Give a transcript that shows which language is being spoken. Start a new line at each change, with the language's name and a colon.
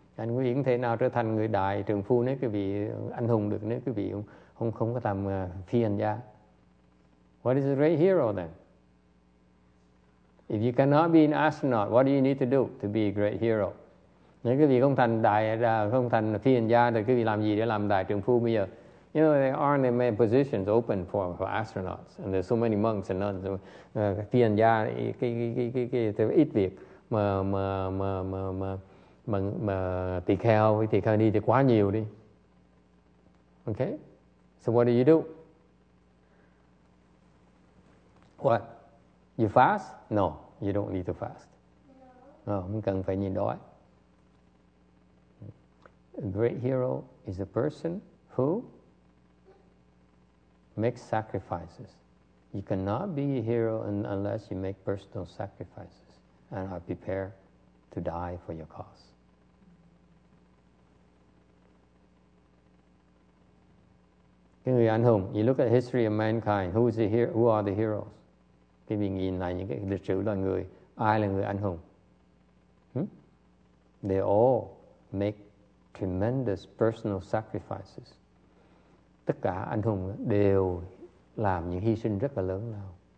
Vietnamese: Anh quý vị thế nào trở thành người đại trưởng phu nếu quý vị anh hùng được, nếu quý vị không có làm phi hành gia.
English: What is a great hero then? If you cannot be an astronaut, what do you need to do to be a great hero?
Vietnamese: Nếu quý vị không thành phi hành gia thì quý vị làm gì để làm đại trưởng phu bây giờ?
English: You know, there aren't any many positions open for astronauts, and there's so many monks and nuns.
Vietnamese: Phi hành gia cái ít việc mà tỳ kheo đi thì quá nhiều đi.
English: Okay, so what do you do? What? You fast? No, you don't need to fast.
Vietnamese: không cần phải nhìn đói.
English: A great hero is a person who makes sacrifices. You cannot be a hero unless you make personal sacrifices and are prepared to die for your cause.
Vietnamese: Người anh hùng,
English: you look at the history of mankind, who is the hero, who are the heroes?
Vietnamese: Khi mình nhìn lại những cái lịch sử loài người, ai là người anh hùng?
English: They all make tremendous personal sacrifices.
Vietnamese: Tất cả anh hùng đều làm những hy sinh rất là lớn lao.